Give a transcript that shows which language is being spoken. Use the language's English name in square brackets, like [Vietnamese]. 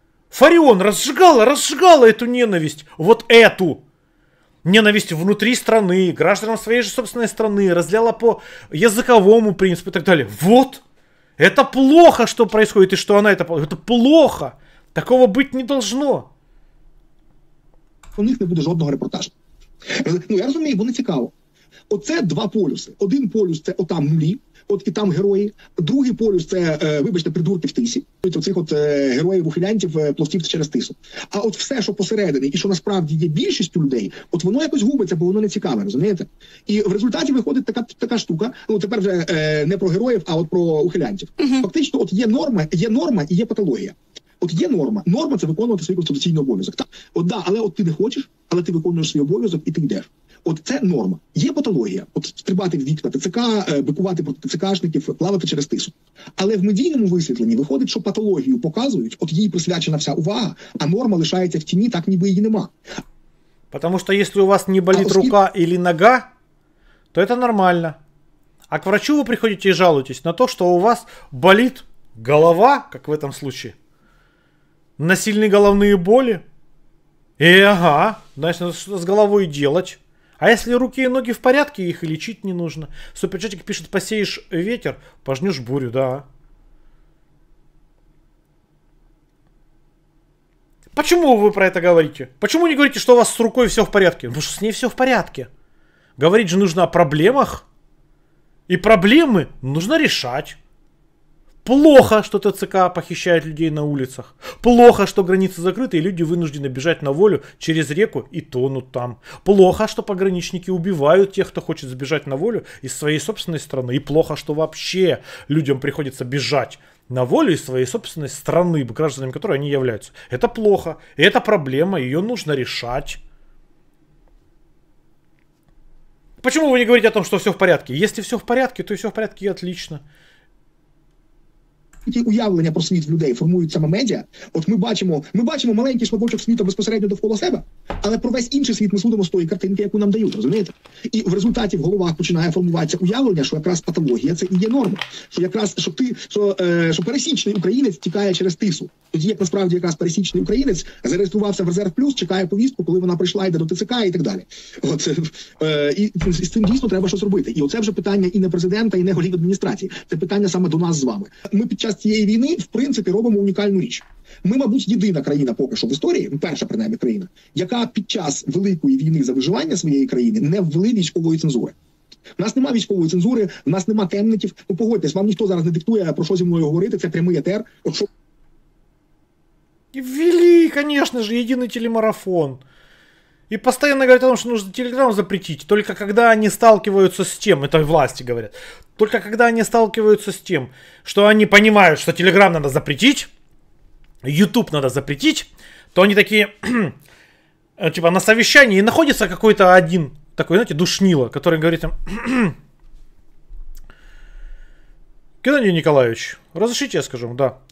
[Russian] Фарион разжигала эту ненависть. Вот эту. Ненависть внутри страны, гражданам своей же собственной страны, разляла по языковому принципу и так далее. Вот. Это плохо, что происходит и что она это... Это плохо. Такого быть не должно. [Ukrainian] У них не буде жодного репортажу. Ну, я розумію, бо не цікаво. Оце два полюси. Один полюс – це отам млі, от і там герої. Другий полюс – це, вибачте, придурки в тисі. Оцих от героїв-ухилянтів, пловців через тису. А от все, що посередині, і що насправді є більшістю людей, от воно якось губиться, бо воно не цікаве, розумієте? І в результаті виходить така штука, ну тепер вже не про героїв, а от про ухилянтів. Угу. Фактично, от є норма і є патологія. От є норма. Норма – це виконувати свій конституційний обов'язок. Так? От да, але от ти не хочеш, але ти виконуєш свій обов'язок і ти йдеш. От це норма. Є патологія. От стрибати в вікна ТЦК, бикувати проти ТЦКшників, плавати через тису. Але в медійному висвітленні виходить, що патологію показують, от їй присвячена вся увага, а норма лишається в тіні, так ніби її нема. Тому що якщо у вас не болить рука або нога, то це нормально. [Russian] А к врачу [Ukrainian] ви приходите і жалуєтесь на те, що у вас болить голова, як в цьому випадку. [Russian] На сильные головные боли? И ага, значит, надо что-то с головой делать. А если руки и ноги в порядке, их и лечить не нужно. Суперчатик пишет, посеешь ветер, пожнешь бурю, да. Почему вы про это говорите? Почему не говорите, что у вас с рукой все в порядке? Потому что с ней все в порядке. Говорить же нужно о проблемах. И проблемы нужно решать. Плохо, что ТЦК похищает людей на улицах. Плохо, что границы закрыты, и люди вынуждены бежать на волю через реку и тонут там. Плохо, что пограничники убивают тех, кто хочет сбежать на волю из своей собственной страны. И плохо, что вообще людям приходится бежать на волю из своей собственной страны, гражданами которой они являются. Это плохо. И это проблема, ее нужно решать. Почему вы не говорите о том, что все в порядке? Если все в порядке, то и все в порядке, и отлично. [Ukrainian] Ті уявлення про світ в людей формують саме медіа. От ми бачимо маленький шматочок світу безпосередньо довкола себе, але про весь інший світ ми судимо з тої картинки, яку нам дають, розумієте? І в результаті в головах починає формуватися уявлення, що якраз патологія це і є норма. Що якраз що пересічний українець тікає через тису. Тоді як насправді якраз пересічний українець зареєструвався в резерв плюс, чекає повістку, коли вона прийшла, йде до ТЦК і так далі. От і з цим дійсно треба щось робити. І оце вже питання і не президента, і не голів адміністрації. Це питання саме до нас з вами. Час цієї війни, в принципі, робимо унікальну річ. Ми, мабуть, єдина країна поки що в історії, перша, принаймні, країна, яка під час великої війни за виживання своєї країни не ввели військової цензури. У нас немає військової цензури, у нас немає темників. Ну, погодьтесь, вам ніхто зараз не диктує, про що зі мною говорити, це прямий етер. І ввели, звісно ж, єдиний телемарафон. [Russian] И постоянно говорят о том, что нужно Телеграм запретить, только когда они сталкиваются с тем, это власти говорят, только когда они сталкиваются с тем, что они понимают, что Телеграм надо запретить, Ютуб надо запретить, то они такие, типа на совещании, и находится какой-то один, такой, знаете, душнило, который говорит им, Геннадий Николаевич, разрешите, я скажу, да.